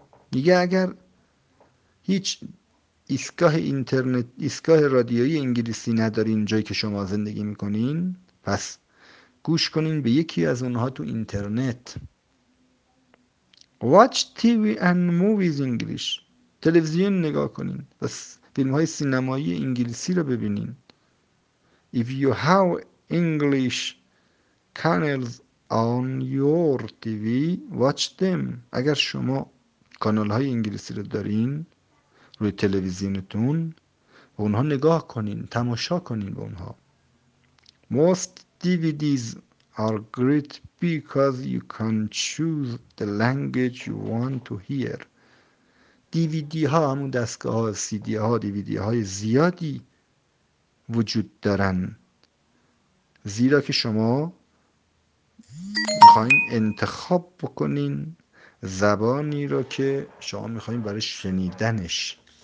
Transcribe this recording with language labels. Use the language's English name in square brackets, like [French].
[Persian] دیگه اگر هیچ ایستگاه اینترنت، ایستگاه رادیویی انگلیسی ندارین جایی که شما زندگی میکنین، پس گوش کنین به یکی از اونها تو اینترنت. [English] Watch TV and movies English، [Persian] تلویزیون نگاه کنین، پس فیلم های سینمایی انگلیسی رو ببینین. [English] If you have English channels on your TV، watch them. [Persian] اگر شما کانال های انگلیسی رو دارین روی تلویزیونتون، به اونها نگاه کنین، تماشا کنین به اونها. [English] Most DVDs are great because you can choose the language you want to hear. [Persian] DVD ها، همون دستگاه ها، CD ها، DVD های زیادی وجود دارن، زیرا که شما میخواین انتخاب بکنین زبانی را که شما میخواین برای شنیدنش.